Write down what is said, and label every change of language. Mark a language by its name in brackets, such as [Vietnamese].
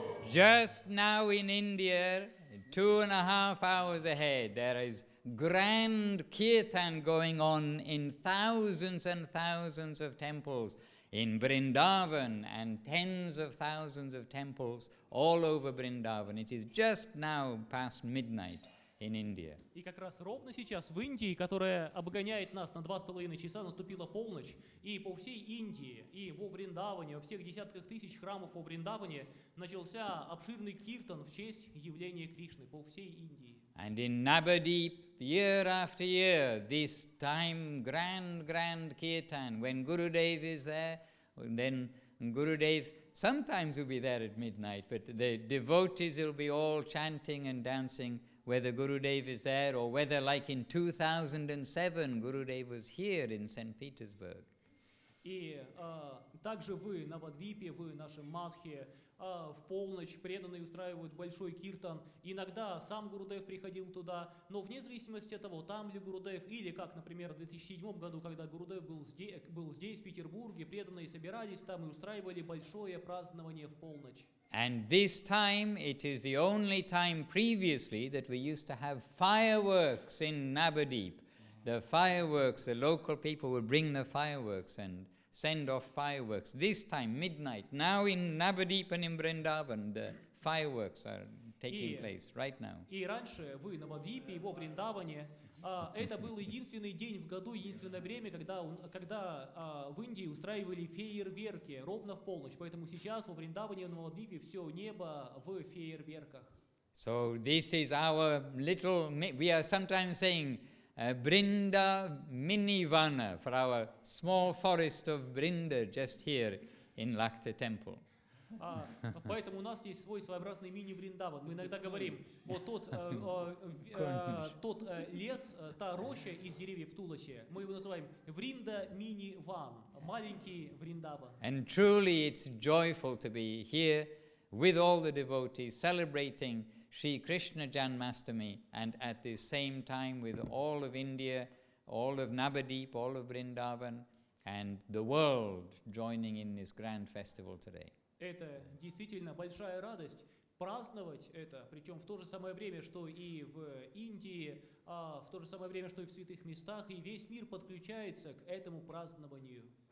[English] Just now in India, 2.5 hours ahead, there is grand kirtan going on in thousands and thousands of temples in Vrindavan and tens of thousands of temples all over Vrindavan. It is just now past midnight in India. [Russian] И как раз ровно сейчас в Индии, которая обгоняет нас на 2.5 часа, наступила полночь, и по всей Индии, и во Вриндаване, во всех десятках тысяч храмов во Вриндаване начался обширный киртан в честь явления Кришны по всей Индии. [English] And in Nabadeep, year after year, this time grand, grand kirtan, when Gurudev is there, then Gurudev sometimes will be there at midnight, but the devotees will be all chanting and dancing. Whether Gurudev is there or whether, like in 2007, Gurudev was here in St. Petersburg. [Russian] И также вы на Вадвипе, вы в нашем Мадхе, в полночь преданные устраивают большой киртан. Иногда сам Гурудев приходил туда, но вне зависимости от того, там ли Гурудев, или как, например, в 2007 году, когда Гурудев был здесь, в Петербурге, преданные собирались там и устраивали большое празднование в полночь. [English] And this time, it is the only time previously that we used to have fireworks in Nabadeep. The fireworks, the local people would bring the fireworks and send off fireworks. This time, midnight, now in Nabadeep and in Vrindavan, the fireworks are taking place right now. [Russian] И раньше вы на Вадвипе и во Вриндаване, это был единственный день в году, единственное время, когда в Индии устраивали фейерверки ровно в полночь. Поэтому сейчас во Вриндаване и на Вадвипе все небо в фейерверках. [English] So this is our little, we are sometimes saying, Brinda Minivana for our small forest of Brinda just here in Lakta Temple. [Russian] Поэтому у нас есть свой своеобразный мини-Вриндаван. Мы иногда говорим, вот тот лес, та роща из деревьев Туласе, мы его называем Вринда Мини-Ван, маленький Вриндаван. [English] And truly it's joyful to be here with all the devotees celebrating Sri Krishna Janmashtami and at the same time with all of India, all of Nabadeep, all of Vrindavan and the world joining in this grand festival today. [Russian] Это действительно большая радость праздновать это, причем в то же самое время, что и в Индии, в то же самое время, что и в святых местах, и весь мир подключается к этому празднованию.